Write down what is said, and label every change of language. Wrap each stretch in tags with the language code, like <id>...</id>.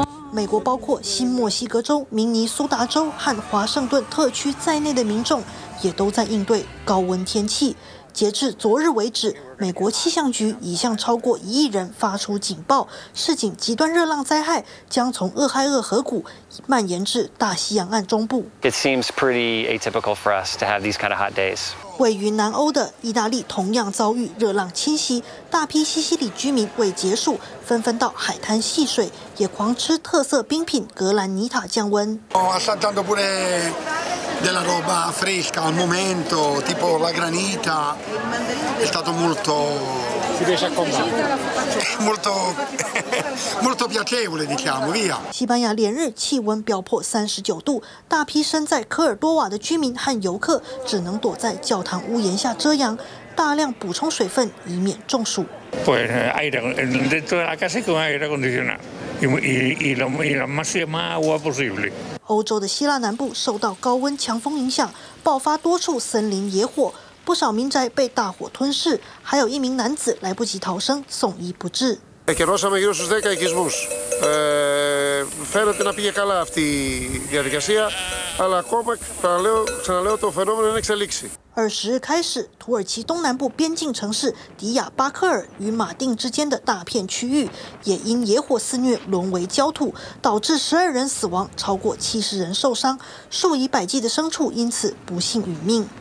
<zh>美国包括新墨西哥州、明尼苏达州和华盛顿特区在内的民众也都在应对高温天气。截至昨日为止，美国气象局已向超过1亿人发出警报，示警极端热浪灾害将从俄亥俄河谷蔓延至大西洋岸中部。</zh> <en>It seems pretty atypical for us to have these kind of hot days.</en> <zh>位于南欧的意大利同样遭遇热浪侵袭，大批西西里居民为结束，纷纷到海滩戏水，也狂吃特色冰品格兰尼塔降温。</zh> <it>della roba fresca al momento, tipo la granita, è stato molto, molto, molto piacevole, diciamo, via.</it> <zh>西班牙连日气温飙破39度，大批身在科尔多瓦的居民和游客只能躲在教堂屋檐下遮阳，大量补充水分以免中暑。</zh> <es>Pues aire, dentro de la casa con aire acondicionado y la máxima agua posible.</es> <zh>欧洲的希腊南部受到高温强风影响，爆发多处森林野火，不少民宅被大火吞噬，还有一名男子来不及逃生，送医不治。 20日开始，土耳其东南部边境城市迪亚巴克尔与马丁之间的大片区域也因野火肆虐沦为焦土，导致12人死亡，超过70人受伤，数以百计的牲畜因此不幸殒命。</zh>